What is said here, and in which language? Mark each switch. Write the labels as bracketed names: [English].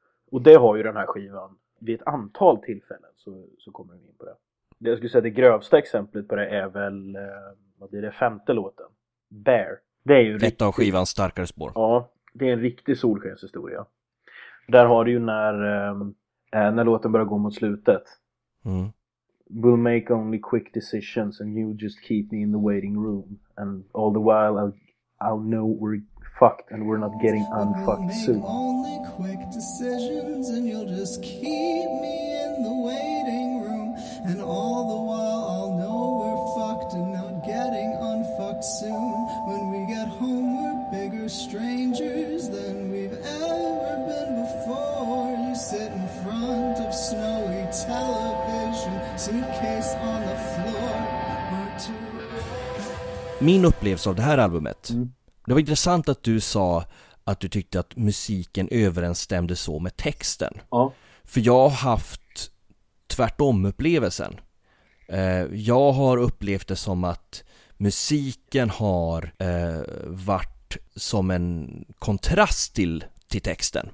[Swedish] Och det har ju den här skivan vid ett antal tillfällen så kommer den in på det. Det jag skulle säga, det grövsta exemplet på det är väl, vad blir det, 5:e låten, Bear. Det är ju ett av skivans starkare spår. Ja, det är en riktig solskenshistoria. Där har du ju när låten börjar gå mot slutet. Mm. [English] We'll make only quick decisions and you just keep me in the waiting room. And all the while I'll know we're fucked and we're not getting unfucked soon. We'll make only quick decisions and you'll just keep me in the waiting room. And all the while I'll know we're fucked and not getting unfucked soon. When we get home we're bigger strangers than we've ever been before. You sit in front of snowy television, suitcase on the floor. [Swedish] Min upplevelse av det här albumet, det var intressant att du sa att du tyckte att musiken överensstämde så med texten. Ja. För jag har haft tvärtom upplevelsen. Jag har upplevt det som att musiken har varit som en kontrast till texten.